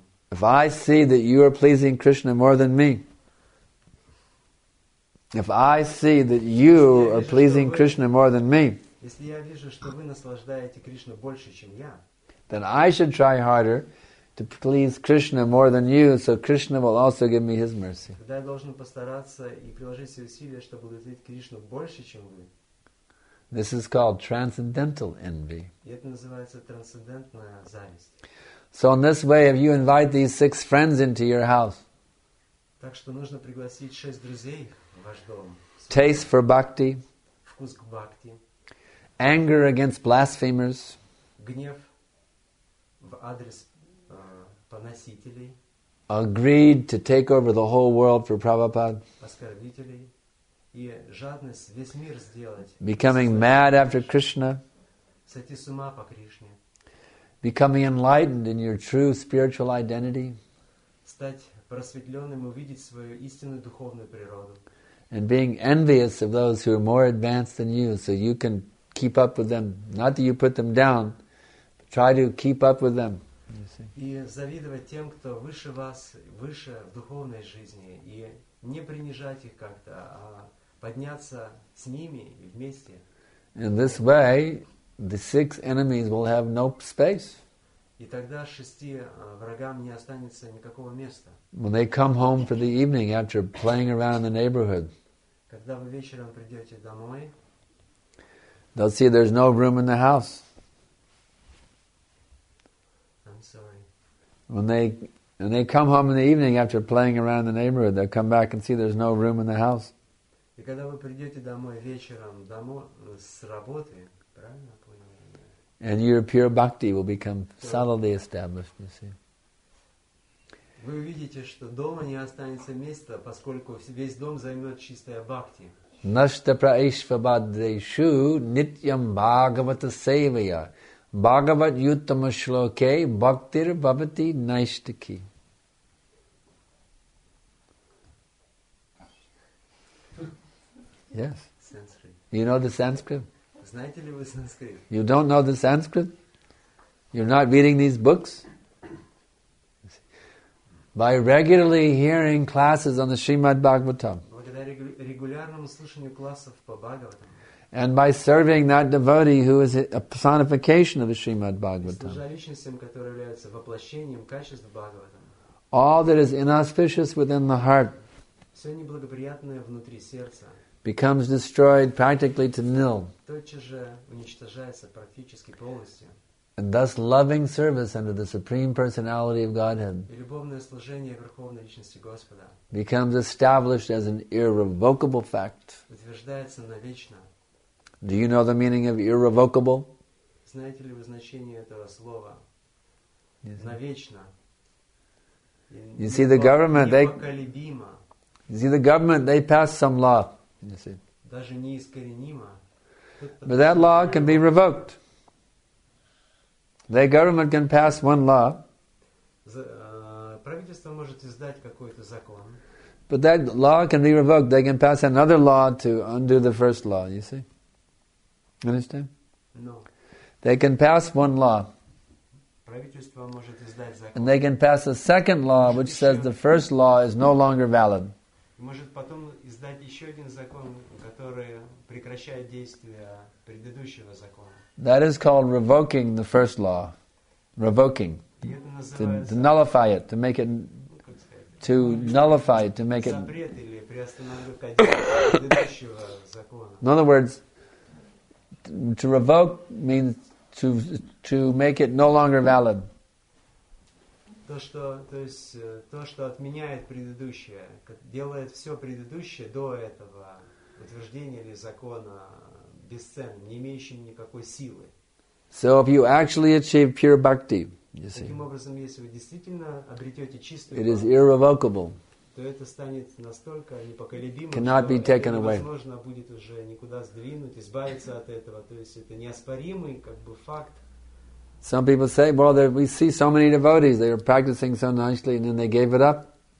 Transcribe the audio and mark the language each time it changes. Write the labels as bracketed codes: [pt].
[en] If I see that you are pleasing Krishna more than me, [ru] если я вижу, что вы наслаждаете Кришну больше, чем я, [en] then I should try harder to please Krishna more than you, so Krishna will also give me His mercy. [ru] Тогда я должен постараться и приложить все усилия, чтобы удовлетворить Кришну больше, чем вы. [en] This is called transcendental envy. [ru] И это называется трансцендентная зависть. [en] So in this way, if you invite these six friends into your house, [ru] так что нужно пригласить шесть друзей в ваш дом. [en] Taste for bhakti. [ru] Вкус к бхакти. [en] Anger against blasphemers. [ru] Гнев в адрес поносителей. [en] Agreed to take over the whole world for Prabhupada. [ru] Оскорбителей. И жадность весь мир сделать. [en] Becoming mad after Krishna. [ru] Сойти с ума по Кришне. [en] Becoming enlightened in your true spiritual identity. [ru] Стать просветленным, увидеть свою истинную духовную природу. [en] And being envious of those who are more advanced than you, so you can keep up with them. Not that you put them down, but try to keep up with them. [ru] И завидовать тем, кто выше вас, выше в духовной жизни, и не принижать их как-то, а подняться с ними вместе. [en] In this way, the six enemies will have no space. [ru] И тогда шести врагам не останется никакого места. [en] When they come home for the evening after playing around in the neighborhood, [ru] когда вы вечером придете домой, [en] they'll see there's no room in the house. I'm sorry. When they come home in the evening after playing around the neighborhood, they'll come back and see there's no room in the house. [ru] И когда вы придете домой вечером домой с работы, правильно? [en] And your pure bhakti will become solidly established, you see. [ru] Вы увидите, что дома не останется места, поскольку весь дом займет чистая бхакти. [sa] Нашта праишвабаддешу нитьям бхагавата севая. Бхагават юттама шлоке бхактир бхавати найштаки. [en] Yes. You know the Sanskrit? [ru] Знаете ли вы санскрит? [en] You don't know the Sanskrit? You're not reading these books? By regularly hearing classes on the Srimad Bhagavatam. [ru] Благодаря регулярному слушанию классов по Бхагаватам. [en] And by serving that devotee who is a personification of the Srimad Bhagavatam. [ru] Служащим, которые являются воплощением качеств Бхагаватам. [en] All that is inauspicious within the heart. [ru] Все неблагоприятное внутри сердца. [en] Becomes destroyed practically to nil. [ru] Тотчас же уничтожается практически полностью. [en] And thus loving service under the Supreme Personality of Godhead. [ru] И любовное служение Верховной Личности Господа. [en] Becomes established as an irrevocable fact. [ru] Утверждается навечно. [en] Do you know the meaning of irrevocable? [ru] Знаете ли вы значение этого слова? Навечно. [en] You see the government, they pass some law. [ru] Даже неискоренимо. [en] But that law can be revoked. The government can pass one law. [ru] Правительство может издать какой-то закон. [en] But that law can be revoked. They can pass another law to undo the first law. You see? Understand? No. They can pass one law. [ru] Правительство может издать закон. [en] And they can pass a second law, which says the first law is no longer valid. [ru] Может потом издать еще один закон, который прекращает действие предыдущего закона. [en] That is called revoking the first law. Revoking. To nullify it, to make it... To nullify it, to make it... [ru] Запрет или приостановка предыдущего закона. [en] In other words, to revoke means to make it no longer valid. [ru] То, что отменяет предыдущее, делает все предыдущее до этого утверждения или закона бесценным, не имеющим никакой силы. [en] So if you actually achieve pure bhakti, you see, [ru] таким образом, если вы действительно обретете чистую [en] bhakti, it is irrevocable, [ru] то это станет настолько непоколебимым, [en] cannot [ru] что [en] be taken [ru] это [en] away. [ru] Невозможно будет уже никуда сдвинуть, избавиться от этого. То есть это неоспоримый как бы факт. [en] Some people say, well, we see so many devotees, they are practicing so nicely, and then they gave it up.